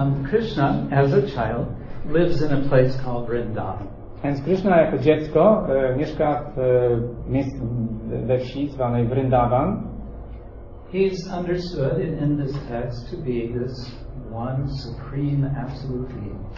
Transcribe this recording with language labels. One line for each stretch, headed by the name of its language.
English: Krishna, as a child, lives in a place called Vrindavan.
Polish: Więc Krishna jako dziecko mieszka w miejscu we wsi zwanej Vrindavan.
English: He's understood in this text to be this one supreme absolute being.